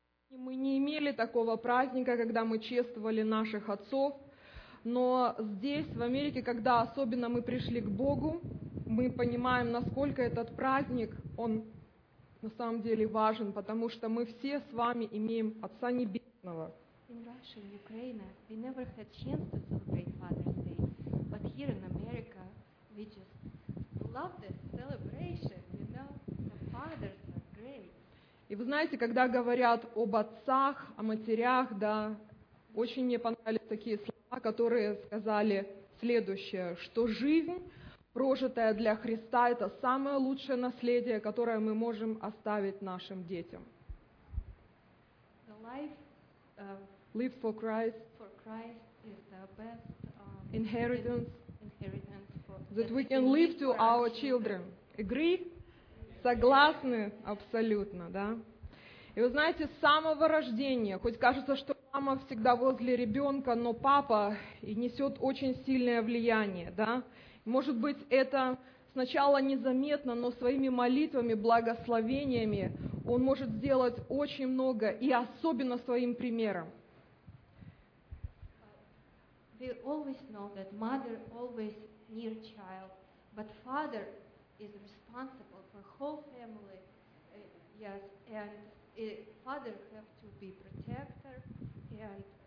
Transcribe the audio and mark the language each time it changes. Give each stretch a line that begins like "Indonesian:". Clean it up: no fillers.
Russian: Мы не имели такого праздника, когда мы чествовали наших отцов, но здесь, в Америке, когда особенно мы пришли к Богу, мы понимаем, насколько этот праздник, он на самом деле важен, потому что мы все с вами имеем Отца Небесного.
English: In Russia, in Ukraine, we never had chance to celebrate Father's Day, but here in America, we just love this celebration, you know, the fathers are great.
Russian: И вы знаете, когда говорят об отцах, о матерях, да, очень мне понравились такие слова, которые сказали следующее, что жизнь, прожитая для Христа, это самое лучшее наследие, которое мы можем оставить нашим детям.
English: The life lived for Christ, is the best inheritance that we can leave to our children. Agree?
Russian: Согласны? Абсолютно, да? И вы знаете, с самого рождения, хоть кажется, что мама всегда возле ребенка, но папа и несет очень сильное влияние, да? Может быть, это сначала незаметно, но своими молитвами, благословениями он может сделать очень много, и особенно своим примером.
English: We always know that mother always near child, but father is responsible for whole family, yes, and father have to be protector, and...